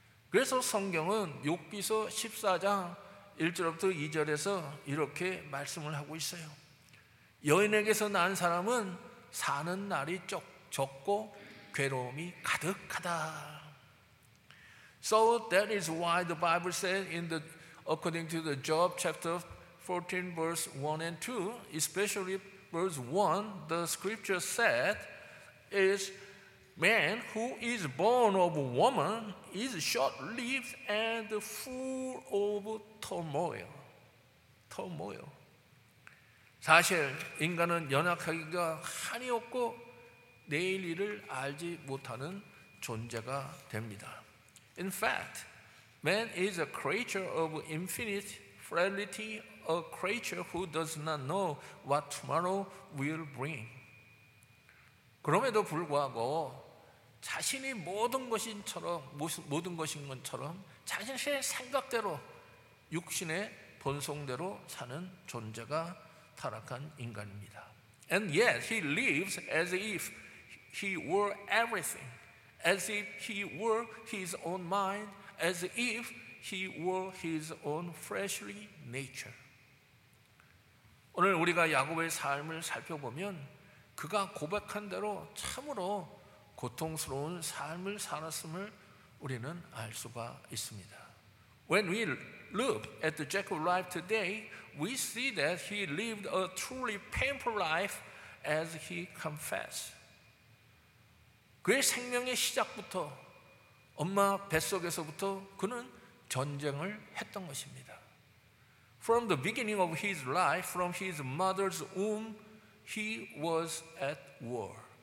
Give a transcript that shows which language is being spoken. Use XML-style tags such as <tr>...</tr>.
<ko>그래서 성경은 욥기서 14장 1절부터 2절에서 이렇게 말씀을 하고 있어요. 여인에게서 난 사람은 사는 날이 적고 괴로움이 가득하다.</ko> <en>So that is why the Bible says in the according to the Job chapter 14 verse 1 and 2, especially verse 1, the scripture said, is man who is born of a woman is short-lived and full of turmoil. Turmoil.</en> <ko>사실 인간은 연약하기가 한이 없고 내일 일을 알지 못하는 존재가 됩니다.</ko> <en>In fact, man is a creature of infinite frailty, a creature who does not know what tomorrow will bring.</en> <ko>그럼에도 불구하고 자신이 모든 것인 것처럼 자신의 생각대로 육신의 본성대로 사는 존재가 타락한 인간입니다.</ko> <en>And yet he lives as if he were everything, as if he were his own mind, as if he were his own fleshly nature.</en> <ko>오늘 우리가 야곱의 삶을 살펴보면 그가 고백한 대로 참으로 고통스러운 삶을 살았음을 우리는 알 수가 있습니다.</ko> <en>When we look at the Jacob's life today, we see that he lived a truly painful life as he confessed.</en> <ko>그의 생명의 시작부터 엄마 뱃속에서부터 그는 전쟁을 했던 것입니다.</ko> <en>From the beginning of his life, from his mother's womb, he was at war.</en>